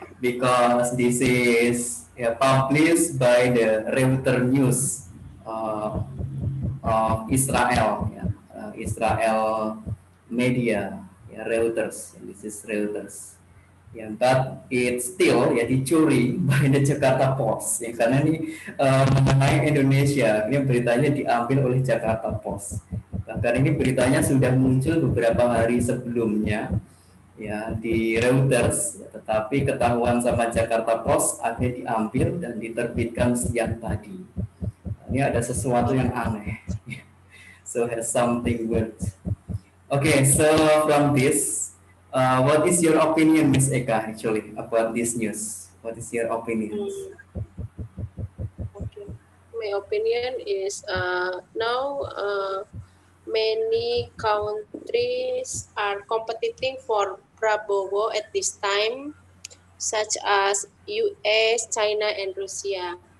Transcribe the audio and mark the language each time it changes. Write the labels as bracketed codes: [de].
[en] Because this is published by the Reuters News of Israel, Israel media, Reuters. This is Reuters. Yeah, but it's still dicuri by the Jakarta Post. [id] Yeah, karena ini mengenai Indonesia. Ini beritanya diambil oleh Jakarta Post. Bahkan ini beritanya sudah muncul beberapa hari sebelumnya. Di Reuters, tetapi ketahuan sama Jakarta Post akhirnya diambil dan diterbitkan siang tadi. Ini ada sesuatu yang aneh. [en] So has something weird. Okay, so from this, what is your opinion, Miss Eka, actually about this news? What is your opinion? My opinion is now many countries are competing for Prabowo at this time, such as US, China, and Russia.